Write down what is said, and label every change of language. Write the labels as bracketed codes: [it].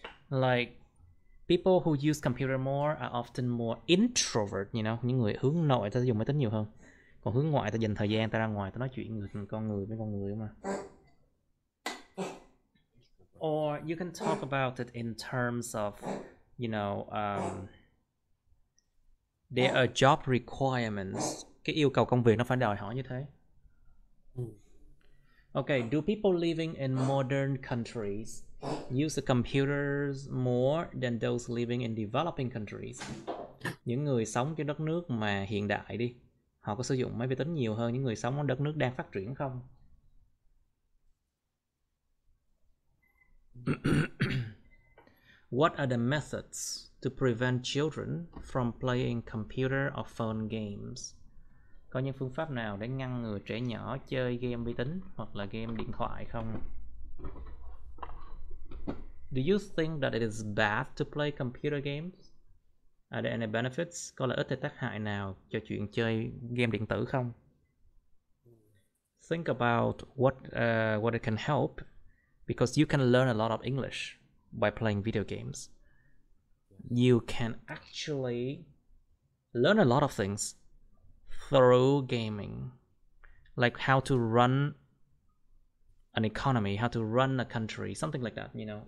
[en] Like people who use computer more are often more introvert, you know. [vi] Những người hướng nội ta sử dụng máy tính nhiều hơn. Còn hướng ngoại ta dành thời gian ta ra ngoài ta nói chuyện với con người mà. [en] Or you can talk about it in terms of you know, there are job requirements. [vi] Cái yêu cầu công việc nó phải đòi hỏi như thế. [en] Okay, do people living in modern countries use the computers more than those living in developing countries? [vi] Những người sống trên đất nước mà hiện đại đi, họ có sử dụng máy vi tính nhiều hơn những người sống ở đất nước đang phát triển không? [en] What are the methods to prevent children from playing computer or phone games? [vi] Có những phương pháp nào để ngăn ngừa trẻ nhỏ chơi game vi tính hoặc là game điện thoại không? [en] Do you think that it is bad to play computer games? Are there any benefits? [vi] Có lợi ích hay tác hại nào cho chuyện chơi game điện tử không? [en] Think about what it can help, because you can learn a lot of English by playing video games. You can actually learn a lot of things through gaming, like how to run an economy, how to run a country, something like that, you know.